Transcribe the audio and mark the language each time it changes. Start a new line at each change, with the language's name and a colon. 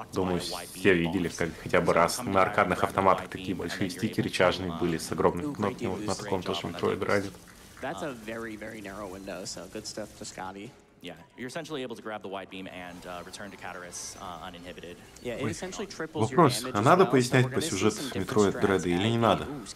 Russian: Думаю, все видели как хотя бы раз. На аркадных автоматах такие большие стики речажные были с огромными кнопками. Вот на таком тоже Metroid ранит.
English: Yeah, you're essentially able to grab the wide beam and return to Catarus uninhibited. Yeah, it essentially triples your damage.
Russian: Вопрос, а надо пояснять по сюжету Метроид Дреда или не надо?